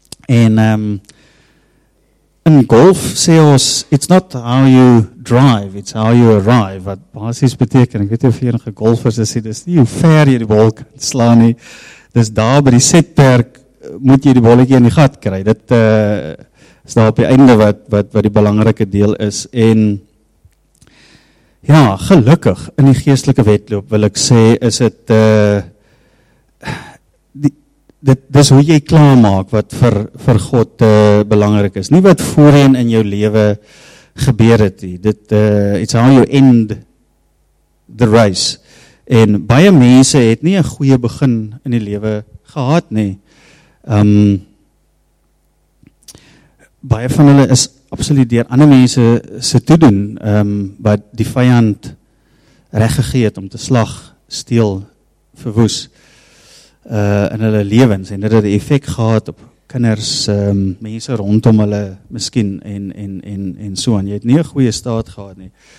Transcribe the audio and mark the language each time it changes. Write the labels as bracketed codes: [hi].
[af] En in golf sê ons, [en] it's not how you drive, it's how you arrive. [af] Wat basis beteken, ek weet nie of jy enige golfers is, dis nie hoe ver jy die bal kan slaan nie. Dis daar by die setperk moet jy die balletjie in die gat kry. Dit is daar op die einde wat die belangrike deel is. En ja, gelukkig in die geestelike wedloop wil ek sê, is het dis hoe jy klaar maak wat vir God belangrik is. Nie wat voorheen in jou lewe gebeur het. [en] It's how you end the race. [af] En baie mense het nie 'n goeie begin in die lewe gehad nie. Baie van hulle is absoluut deur ander mense se toe doen wat die vyand reggegee het om te slag, steel, verwoes in hulle lewens en dit het 'n effek gehad op kinders, mense rondom hulle miskien en so aan. Jy het nie 'n goeie staat gehad nie.